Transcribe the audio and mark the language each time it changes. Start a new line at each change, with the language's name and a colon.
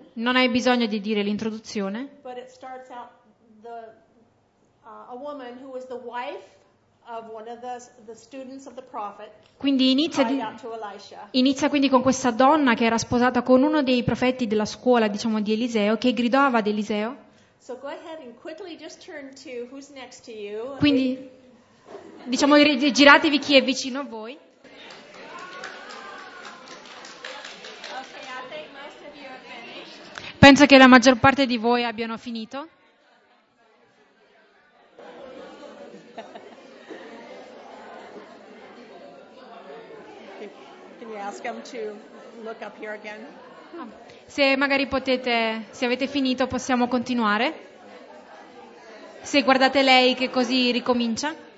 Italian: non hai bisogno di dire l'introduzione,
English: but it starts out the, a woman who was the wife of one of the students of the prophet.
Italian: Quindi inizia quindi con questa donna che era sposata con uno dei profeti della scuola, diciamo, di Eliseo, che gridava ad Eliseo.
English: So go ahead and quickly just turn to who's next to you.
Italian: Quindi diciamo, giratevi chi è vicino a voi.
English: Okay, I think most of you are finished.
Italian: Penso che la maggior parte di voi abbiano finito.
English: Can you ask them to look up here again?
Italian: Se magari potete, se avete finito, possiamo continuare. Se guardate lei che così ricomincia.